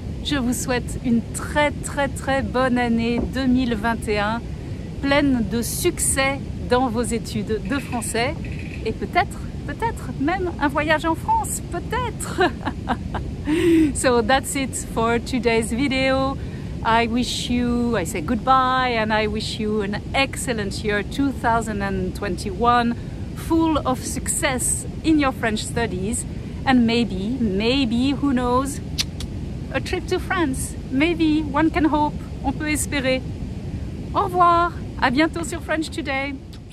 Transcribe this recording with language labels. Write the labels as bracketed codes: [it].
[fr] Je vous souhaite une très, très, très bonne année 2021, pleine de succès dans vos études de français et peut-être même un voyage en France, peut-être. [en] So that's it for today's video. I say goodbye and I wish you an excellent year 2021, full of success in your French studies, and maybe, who knows, a trip to France. Maybe, one can hope, [fr] on peut espérer. Au revoir, à bientôt sur French Today.